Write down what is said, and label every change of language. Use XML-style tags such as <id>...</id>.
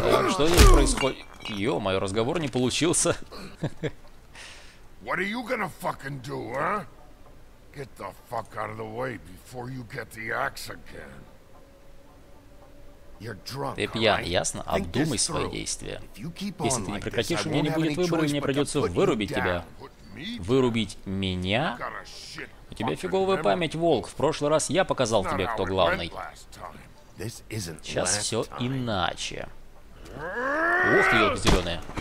<ru>Что здесь происходит? Ё-моё, разговор не получился.</ru> <en>What are you gonna fucking do, huh? Get the fuck out of the way before you get the axe again. You're drunk.</en> <ru>Ты пьян, ясно? Обдумай свои действия. Если ты не прекратишь, у меня не будет выбора, и мне придется вырубить тебя. Вырубить меня? У тебя фиговая память, волк. В прошлый раз я показал тебе, кто главный. Сейчас все иначе. Ух ты, елки зеленые.</ru>